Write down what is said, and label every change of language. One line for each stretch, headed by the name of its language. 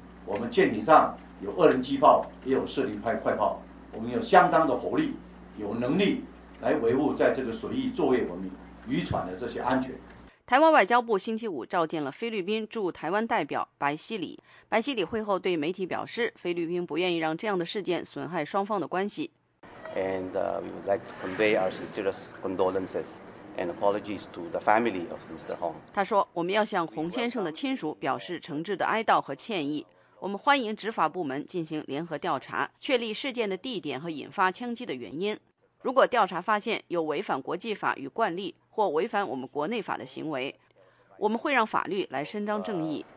Chinese: 我们舰艇上有2人机炮，也有40派快炮，我们有相当的火力，有能力来维护在这个水域作业文明渔船的这些安全。台湾外交部星期五召见了菲律宾驻台湾代表白希里，白希里会后对媒体表示，菲律宾不愿意让这样的事件损害双方的关系。
English: And we would like to convey our sincerest condolences and apologies to the family of Mr. Hong.
Chinese: 他说，我们要向洪先生的亲属表示诚挚的哀悼和歉意。我们欢迎执法部门进行联合调查，确立事件的地点和引发枪击的原因。如果调查发现有违反国际法与惯例或违反我们国内法的行为，我们会让法律来伸张正义。